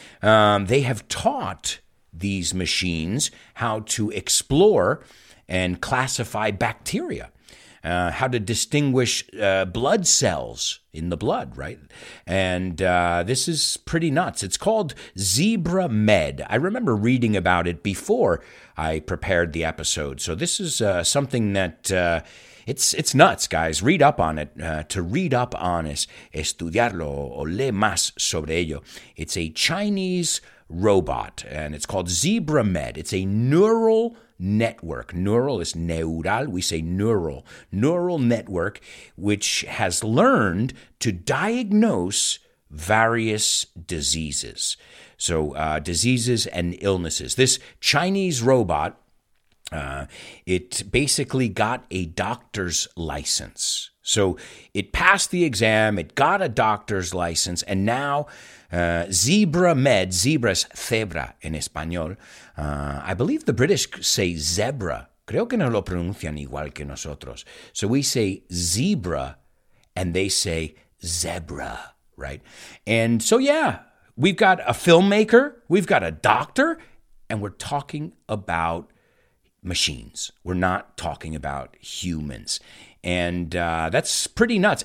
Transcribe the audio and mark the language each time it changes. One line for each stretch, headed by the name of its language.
English: They have taught these machines how to explore and classify bacteria, how to distinguish blood cells in the blood, right? And this is pretty nuts. It's called Zebra Med. I remember reading about it before I prepared the episode. So this is something that... It's nuts, guys. Read up on it. To read up on
Spanish: es estudiarlo o leer más sobre ello.
English: It's a Chinese robot, and it's called Zebra Med. It's a neural network. Neural is neural. We say neural. Neural network, which has learned to diagnose various diseases. So diseases and illnesses. This Chinese robot, it basically got a doctor's license. So it passed the exam, it got a doctor's license, and now Zebra Med, zebras, zebra in español. I believe the British say zebra.
Spanish: Creo que no lo pronuncian igual que nosotros.
English: So we say zebra, and they say zebra, right? And so, yeah, we've got a filmmaker, we've got a doctor, and we're talking about machines. We're not talking about humans. And that's pretty nuts.